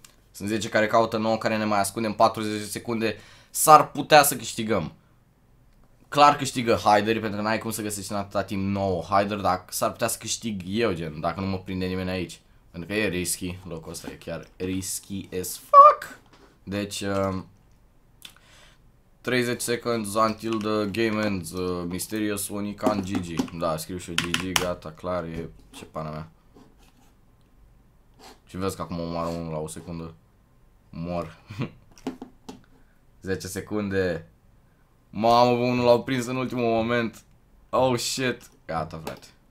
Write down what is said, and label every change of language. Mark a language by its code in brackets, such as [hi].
[ro] Sunt 10 care caută, 9 care ne mai ascundem. 40 de secunde. S-ar putea să câștigăm. Clar câștigă Hyder, pentru că n-ai cum să găsești în atâta timp 9 Hyder, dar s-ar putea să câștig eu, gen, dacă nu mă prinde nimeni aici. Pentru că e risky, locul ăsta e chiar [en] risky as fuck. Deci 30 seconds until the game ends, mysterious one can GG. [ro] Da, scriu și eu GG, gata, clar, e ce pana mea. Și vezi că acum omoară unul la o secundă. Mor. 10 secunde. Mamă, unul l-au prins în ultimul moment. [en] Oh shit. [ro] Gata, frate.